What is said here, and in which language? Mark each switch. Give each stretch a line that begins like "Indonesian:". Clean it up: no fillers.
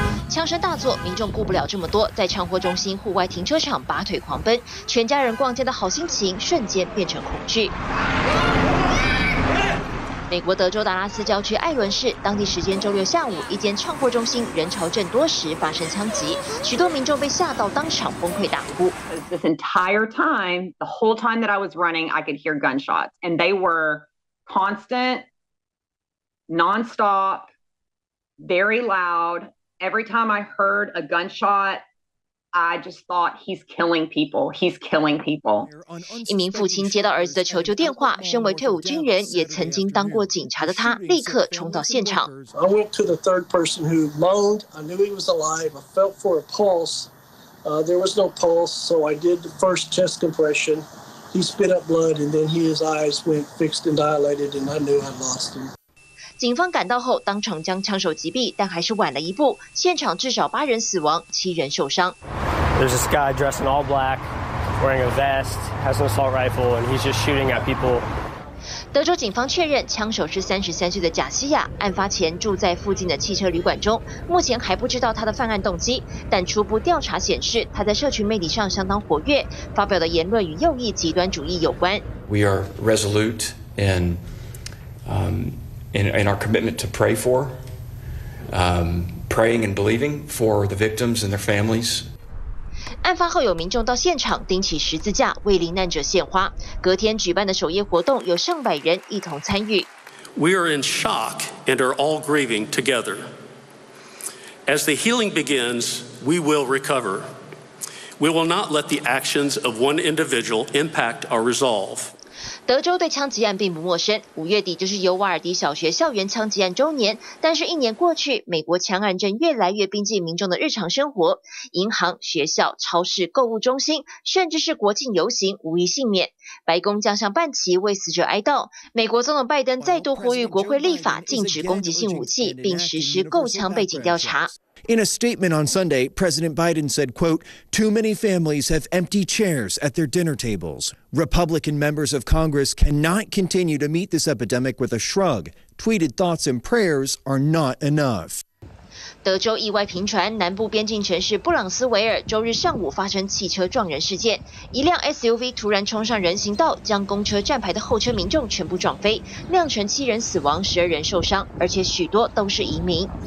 Chinese: 枪声大作，民众顾不了这么多，在唱货中心户外停车场拔腿狂奔，全家人逛街的好心情瞬间变成恐惧。美国德州达拉斯郊区艾伦市，当地时间周六下午，一间创货中心人潮正多时发生枪击，许多民众被吓到，当场崩溃大哭。
English: This entire time, the whole time that I was running, I could hear gunshots, and they were constant, nonstop, very loud. Every time I heard a gunshot. I just thought he's killing people. He's killing people.
Chinese: 一名父亲接到儿子的求救电话，身为退伍军人，也曾经当过警察的他，立刻冲到现场。
English: I went to the third person who moaned. I knew he was alive. I felt for a pulse. There was no pulse, so I did the first chest compression. He spit up blood, and then his eyes went fixed and dilated, and I knew I'd lost him.
Chinese: 警方赶到后，当场将枪手击毙，但还是晚了一步。现场至少八人死亡，七人受伤。
English: There's this guy dressed in all black, wearing a vest, has an assault rifle, and he's just shooting at people.
Chinese: 德州警方确认，枪手是33岁的贾西亚，案发前住在附近的汽车旅馆中。目前还不知道他的犯案动机，但初步调查显示，他在社群媒体上相当活跃，发表的言论与右翼极端主义有关。
English: We are resolute and, in our commitment to pray for, praying and believing for the victims and their families.
Chinese: 案发后有民众到现场钉起十字架为罹难者献花，隔天举办的守夜活动有上百人一同参与。
English: We are in shock and are all grieving together. As the healing begins, we will recover. We will not let the actions of one individual impact our resolve.
Chinese: 德州对枪击案并不陌生，五月底就是尤瓦尔迪小学校园枪击案周年。但是，一年过去，美国枪案正越来越逼近民众的日常生活，银行、学校、超市、购物中心，甚至是国庆游行，无一幸免。白宫将向半旗为死者哀悼。美国总统拜登再度呼吁国会立法禁止攻击性武器，并实施购枪背景调查。
English: In a statement on Sunday, President Biden said, quote, too many families have empty chairs at their dinner tables. Republican members of Congress cannot continue to meet this epidemic with a shrug. Tweeted thoughts and prayers are not enough.
Chinese: 德州意外频传，南部边境城市布朗斯维尔周日上午发生汽车撞人事件，一辆 SUV 突然冲上人行道，将公车站牌的后车民众全部撞飞，酿成七人死亡、十二人受伤，而且许多都是移民。